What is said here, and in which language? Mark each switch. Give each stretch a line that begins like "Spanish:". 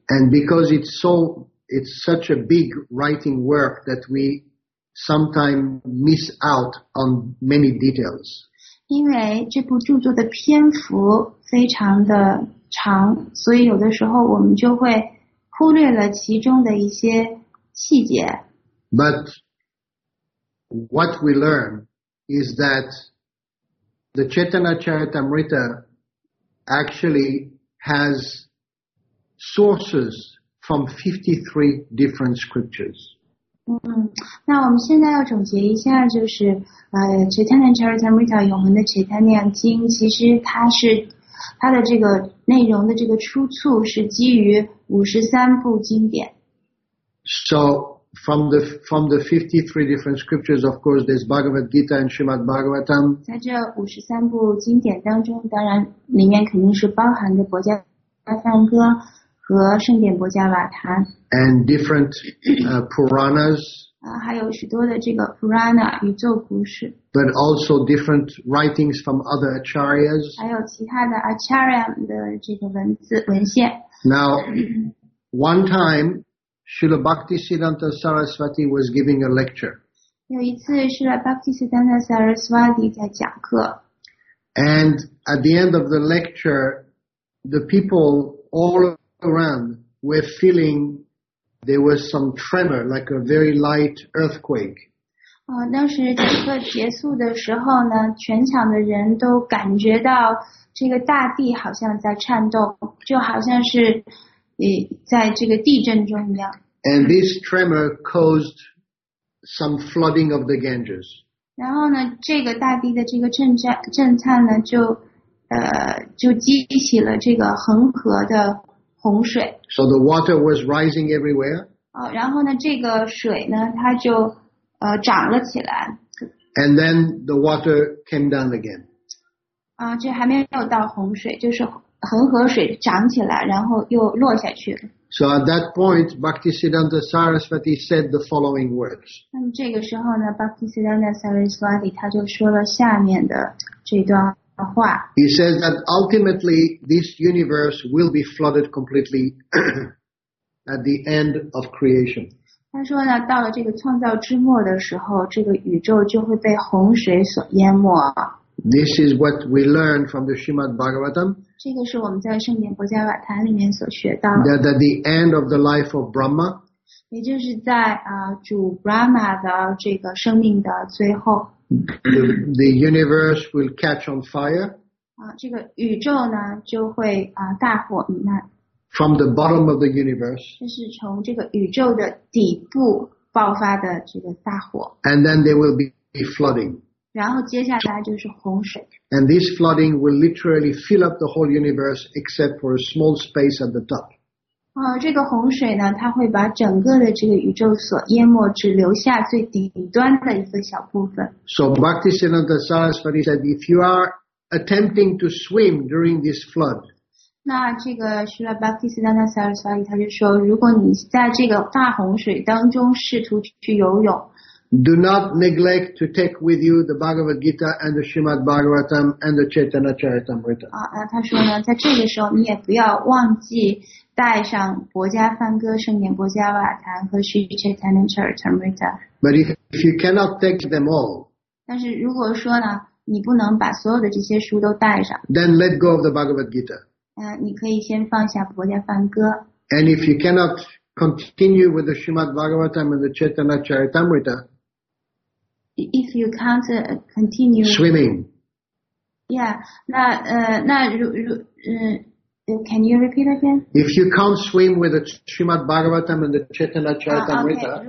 English: And because it's such a big writing work that we sometimes miss out on many details.
Chinese: 因为这部著作的篇幅非常的长，所以有的时候我们就会忽略了其中的一些细节。
English: But what we learn is that the Chaitanya Charitamrita actually has sources from 53 different scriptures.
Chinese: 嗯，那我们现在要总结一下，就是Chaitanya Charitamrita 永恒的 Chaitanya 经，其实它是它的这个内容的这个出处是基于53部经典。
English: So from the 53 different scriptures, of course, there's Bhagavad Gita and Srimad Bhagavatam.
Chinese: 在这53部经典当中，当然里面肯定是包含的《博伽大梵歌》和圣典博迦瓦坛
English: ，and different Puranas，
Chinese: 还有许多的这个 Purana 宇宙故事
English: ，but also different writings from other Acharyas，
Chinese: 还有其他的 Acharya 的这个文字文献。
English: Now， one time， Srila Bhakti Siddhanta Saraswati was giving a lecture，
Chinese: 有一次 Srila Bhakti Siddhanta Saraswati 在讲课
English: ，and at the end of the lecture， the people all around were feeling there was some tremor, like a very light earthquake.
Chinese: 当时讲课结束的时候呢，全场的人都感觉到这个大地好像在颤动，就好像是在这个地震中一样。
English: And this tremor caused some flooding of the Ganges.
Chinese: 然后呢，这个大地的这个震颤呢，就激起了这个恒河的洪水。
English: So the water was rising everywhere.
Chinese: 然后呢，这个水呢，它就涨了起来。
English: And then the water came down again.
Chinese: 这还没有到洪水，就是恒河水涨起来，然后又落下去了。
English: So at that point, Bhaktisiddhanta Saraswati said the following words.
Chinese: 那么这个时候呢 ，Bhaktisiddhanta Saraswati 他就说了下面的这段。
English: He says that ultimately this universe will be flooded completely at the end of creation.
Chinese: 他说呢，到了这个创造之末的时候，这个宇宙就会被洪水所淹没。
English: This is what we learn from the Srimad Bhagavatam.
Chinese: 这个是我们在圣典博迦瓦坛里面所学到的。
English: That at the end of the life of Brahma.
Chinese: 也就是在主 Brahma 的这个生命的最后。
English: The universe will catch on fire.
Chinese: 这个宇宙呢就会大火弥漫。
English: From the bottom of the universe.
Chinese: 这是从这个宇宙的底部爆发的这个大火。
English: And then there will be flooding.
Chinese: 然后接下来就是洪水。
English: And this flooding will literally fill up the whole universe except for a small space at the top.
Chinese: 这个洪水呢，它会把整个的这个宇宙所淹没，只留下最顶端的一个小部分。
English: So Bhaktisiddhanta Saraswati said, if you are attempting to swim during this flood,
Chinese: 那这个Srila Bhaktisiddhanta Saraswati 他就说，如果你在这个大洪水当中试图去游泳，
English: Do not neglect to take with you the Bhagavad Gita and the Srimad Bhagavatam and the Chaitanya Charitamrita.
Chinese: 他说呢，在这个时候你也不要忘记带上《薄伽梵歌》《圣严薄伽瓦坛》和《Chaitanya Charitamrita》.
English: But if you cannot take them all,
Chinese: 但是如果说呢，你不能把所有的这些书都带上，
English: then let go of the Bhagavad Gita.
Chinese: 你可以先放下《薄伽梵歌》.
English: And if you cannot continue with the Srimad Bhagavatam and the Chaitanya Charitamrita, if you can't continue swimming, yeah, can you repeat again? If you can't swim with the Srimad Bhagavatam and the Chaitanya Charitamrita,